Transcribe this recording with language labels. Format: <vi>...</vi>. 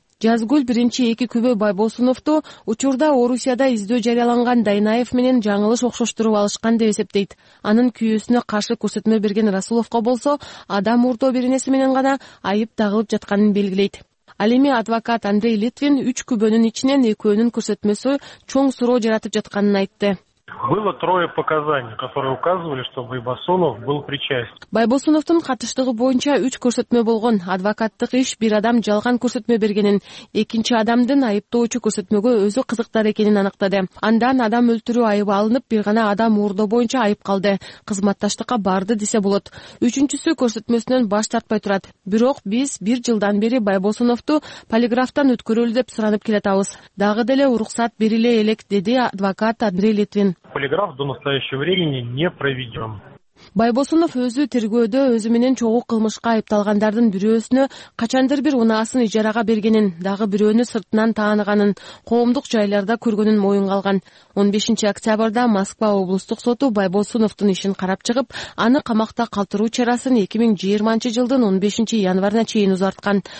<ky>Жазгүл биринчи эки күбө Байбосуновду учурда Орусияда издөө жарыяланган Дайнаев менен жаңылыш окшоштуруп алышкан деп эсептейт. Анын күйөөсүнө каршы көрсөтмө берген Расуловко болсо адам уурдоо беренеси менен гана айып тагылып жатканын белгилейт. Ал эми адвокат Андрей Литвин 3 күбөнүн ичинен экөөнүн көрсөтмөсү чоң суроо жаратып жатканын айтты.</ky> <ru>Было трое показаний, которые указывали, что Байбосунов был причастен.</ru> <ky>Байбосуновдун катыштыгы боюнча 3 көрсөтмө болгон. Адвокаттык иш бир адам жалган көрсөтмө бергенин, экинчи адамдын айыптоочу көрсөтмөгө өзү кызыктар экенин аныктады. Андан адам өлтүрүү айыбы алынып, бир гана адам уурдоо боюнча айып калды. Кызматташтыкка барды десе болот. Үчүнчүсү көрсөтмөсүнөн баш тартпай турат. Бирок биз 1 жылдан бери Байбосуновду полиграфтан өткөрөлү деп суранып келатабыз. Дагы деле уруксат бериле элек, деди адвокат Андрей Литвин.</ky> <ru>Полиграф до настоящего времени не проведен.</ru> <ky>Байбосунов өзү тергөөдө өзү менен чогуу кылмышка айыпталгандардын бирөөсүнө качандыр бир унаасын ижарага бергенин, дагы бирөөнү сыртынан тааныганын, коомдук жайларда көргөнүн моюнга алган. 15 октябрда Москва облустук соту Байбосуновдун ишин карап чыгып, аны камакта калтыруу чарасын 2020 жылдын 15 январына чейин узарткан.</ky>